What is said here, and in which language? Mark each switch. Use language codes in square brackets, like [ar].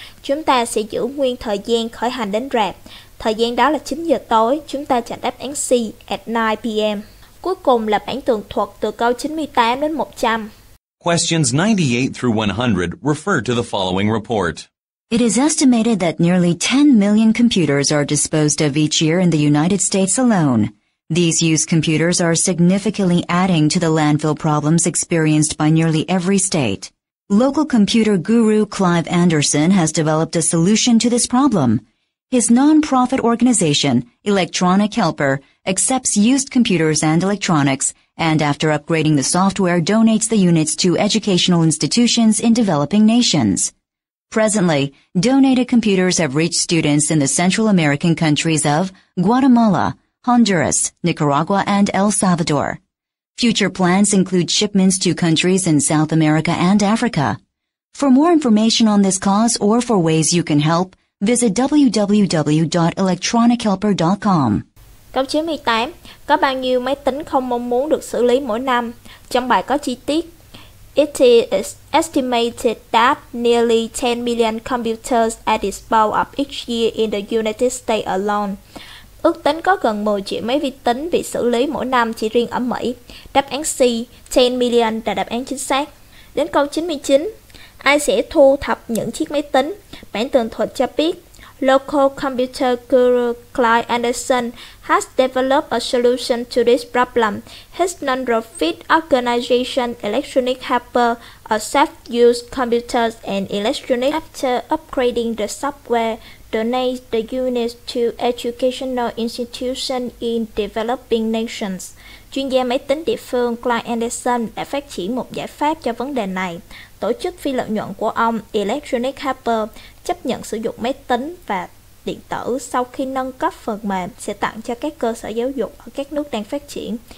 [vi] Chúng ta sẽ giữ nguyên thời gian khởi hành đến rạp. Thời gian đó là 9 giờ tối, chúng ta chọn đáp án C, [en] at 9 p.m. [vi] Cuối cùng là bản tường thuật từ câu 98 đến 100. [en] Questions 98 through 100 refer to the following report. It is estimated that nearly 10 million computers are disposed of each year in the United States alone. These used computers are significantly adding to the landfill problems experienced by nearly every state. Local computer guru Clive Anderson has developed a solution to this problem. His non-profit organization, Electronic Helper, accepts used computers and electronics, and after upgrading the software, donates the units to educational institutions in developing nations. Presently, donated computers have reached students in the Central American countries of Guatemala, Honduras, Nicaragua, and El Salvador. Future plans include shipments to countries in South America and Africa. For more information on this cause or for ways you can help, visit www.electronichelper.com. [vi] Câu 98. Có bao nhiêu máy tính không mong muốn được xử lý mỗi năm? Trong bài có chi tiết. [en] It is estimated that nearly 10 million computers are disposed of each year in the United States alone. [vi] Ước tính có gần 10 triệu máy vi tính bị xử lý mỗi năm chỉ riêng ở Mỹ. Đáp án C, 10 million là đáp án chính xác. Đến câu 99. Ai sẽ thu thập những chiếc máy tính? Bản tường thuật cho biết, [en] local computer guru Clive Anderson has developed a solution to this problem. His non-profit organization Electronic Helper accepts used computers and electronics after upgrading the software, donates the units to educational institutions in developing nations. [vi] Chuyên gia máy tính địa phương Clive Anderson đã phát triển một giải pháp cho vấn đề này. Tổ chức phi lợi nhuận của ông Electronic Helper chấp nhận sử dụng máy tính và điện tử sau khi nâng cấp phần mềm sẽ tặng cho các cơ sở giáo dục ở các nước đang phát triển.